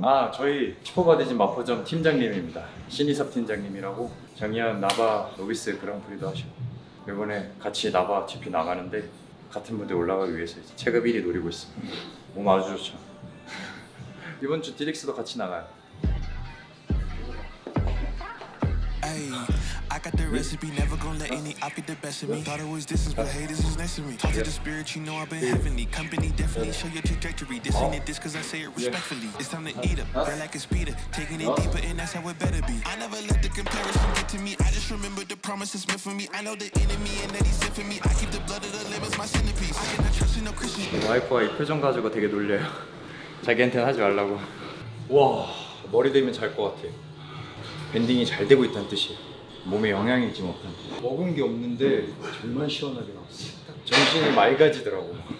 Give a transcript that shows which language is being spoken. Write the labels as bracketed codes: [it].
[ko] 아, 저희 초코바디진 마포점 팀장님입니다. 신이섭 팀장님이라고 작년 나바 노비스 그랑프리도 하시고 이번에 같이 나바 GP 나가는데 같은 무대 올라가기 위해서 이제 체급 1위 노리고 있습니다. 몸 아주 좋죠. 이번 주 디릭스도 같이 나가요. [en] I got the recipe, never gonna let any op be the best of me. Thought it was distance, but hey, this is next to me. Talk to the spirit, you know I've been heavenly. Company definitely show your trajectory. This ain't it, this cause I say it respectfully. It's time to eat up, feel like it's Peter. Taking it deeper and that's how it better be. I never let the comparison get to me. I just remember the promises meant for me. I know the enemy and that he sent for me. I keep the blood of the lamb as my centerpiece. I cannot trust in no Christian. [ko] 와이프가 이 표정 가지고 되게 놀려요. 자기한테는 하지 말라고. 와, 머리 되면 잘 것 같아. 밴딩이 잘 되고 있다는 뜻이에요. 몸에 영향이 있지 못한 먹은 게 없는데 정말 시원하게 나왔어요. 정신이 맑아지더라고.